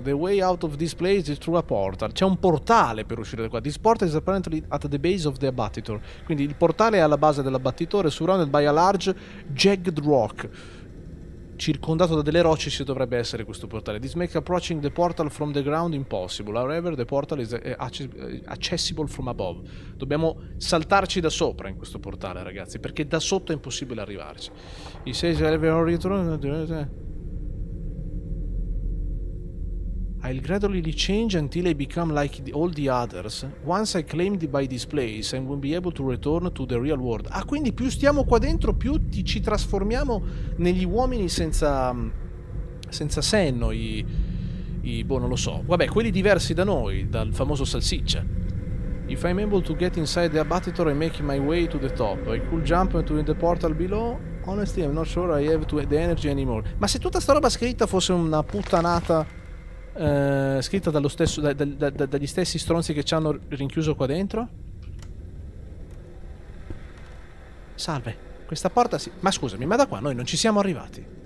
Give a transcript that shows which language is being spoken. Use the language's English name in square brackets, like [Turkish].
[English] The way out of this place is through a portal. [Italian] C'è un portale per uscire da qua. [English] This portal is apparently at the base of the abattitor. [Italian] Quindi il portale è alla base dell'abbattitore, [English] surrounded by a large jagged rock. [Italian] Circondato da delle rocce ci dovrebbe essere questo portale. [English] This makes approaching the portal from the ground impossible. However, the portal is accessible from above. [Italian] Dobbiamo saltarci da sopra in questo portale, ragazzi, perché da sotto è impossibile arrivarci. [English] He says, "I have already returned." I'll gradually change until I become like all the others. Once I claimed by this place, I will be able to return to the real world. [Italian] Ah, quindi più stiamo qua dentro, più ci trasformiamo negli uomini senza senno, boh, non lo so. Vabbè, quelli diversi da noi, dal famoso salsiccia. [English] If I'm able to get inside the abattoir and make my way to the top, I could jump into the portal below. Honestly, I'm not sure I have the energy anymore. [Italian] Ma se tutta sta roba scritta fosse una puttanata scritta dallo stesso dagli stessi stronzi che ci hanno rinchiuso qua dentro? Salve, questa porta si... Ma scusami, ma da qua noi non ci siamo arrivati.